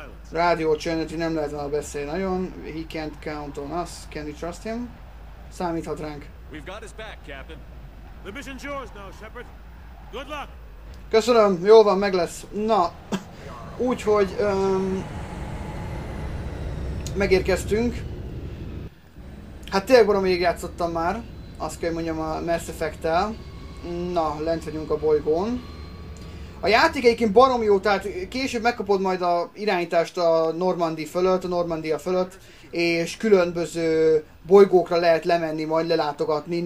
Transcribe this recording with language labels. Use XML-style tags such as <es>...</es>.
<hu>Rádió csönet, hogy nem lehet vele beszélni nagyon.</hu> <en>He can't count on us. Can we trust him?</en> <hu>Számíthat ránk.</hu> <en>We've got his back, Captain. The mission's yours now, Shepard. Good luck.</en> <hu>Köszönöm, jó van, meg lesz. Na, úgyhogy megérkeztünk. Hát tényleg baromig játszottam már. Azt kell mondjam a Mass Effect-tel. Na, lent vagyunk a bolygón. A játék egyébként baromi jó, tehát később megkapod majd a irányítást a Normandy fölött, a Normandia fölött, és különböző bolygókra lehet lemenni, majd lelátogatni.</hu>